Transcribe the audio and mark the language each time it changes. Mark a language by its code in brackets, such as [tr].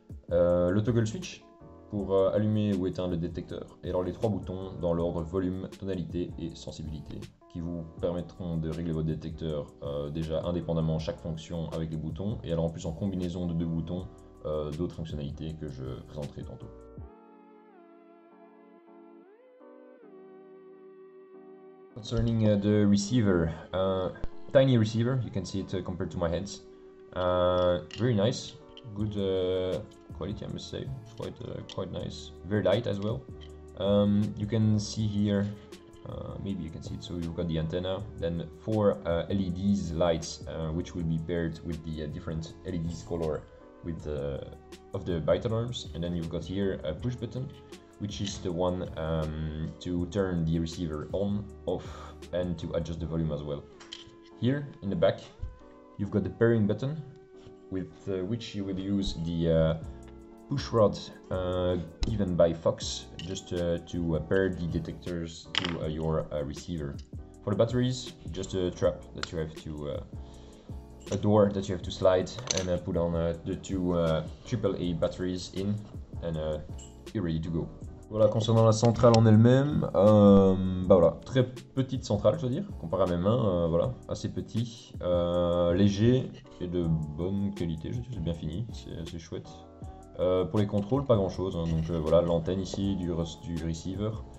[fr] Le toggle switch pour allumer ou éteindre le détecteur, et alors les trois boutons dans l'ordre volume, tonalité et sensibilité, qui vous permettront de régler votre détecteur déjà indépendamment chaque fonction avec les boutons, et alors en plus en combinaison de deux boutons, d'autres fonctionnalités que je présenterai tantôt. [en] Concerning the receiver, tiny receiver, you can see it compared to my hands. Very nice, good quality, I must say, quite nice, very light as well. You can see here, maybe you can see it, so you've got the antenna, then four LEDs lights, which will be paired with the different LEDs color with of the bite alarms, and then you've got here a push button, which is the one to turn the receiver on, off, and to adjust the volume as well. Here in the back, you've got the pairing button, with which you will use the push rod given by Fox, just to pair the detectors to your receiver. For the batteries, just a trap that you have to, a door that you have to slide and put on the two AAA batteries in, and you're ready to go. [fr] Voilà, concernant la centrale en elle-même, très petite centrale, je veux dire, comparé à mes mains, assez petit, léger et de bonne qualité, je dirais, c'est bien fini, c'est assez chouette. Pour les contrôles, pas grand chose, hein. Donc voilà, l'antenne ici du receiver.